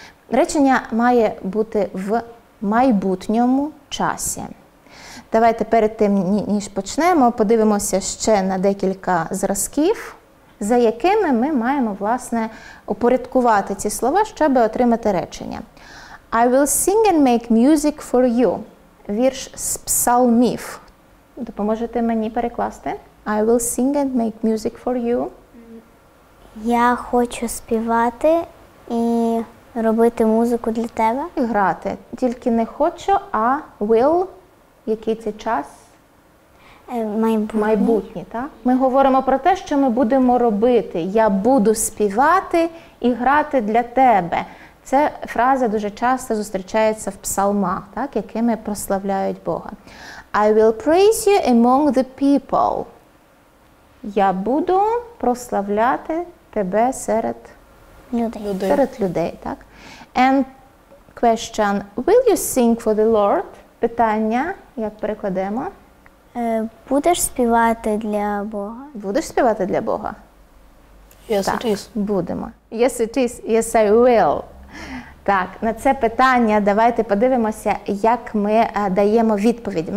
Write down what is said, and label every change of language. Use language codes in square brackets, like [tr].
[uk] Речення має бути в майбутньому часі. Давайте перед тим, ніж почнемо, подивимося ще на декілька зразків, за якими ми маємо, власне, упорядкувати ці слова, щоб отримати речення. [en] I will sing and make music for you. [uk] Вірш з псалмів. Допоможете мені перекласти? [en] I will sing and make music for you. [uk] Я хочу співати і робити музику для тебе. І грати. Тільки не хочу, а will. Який це час? Майбутнє, так? Ми говоримо про те, що ми будемо робити. Я буду співати і грати для тебе. Це фраза дуже часто зустрічається в псалмах, так, якими прославляють Бога. [en] I will praise you among the people. [uk] Я буду прославляти тебе серед людей. Серед людей, так? [en] And question, will you sing for the Lord? [uk] Питання, як перекладемо? Будеш співати для Бога? Будеш співати для Бога? [en] Yes, [uk] так, [en] it is. [uk] Будемо. [en] Yes, it is. Yes, I will. [uk] Так, на це питання давайте подивимося, як ми даємо відповідь.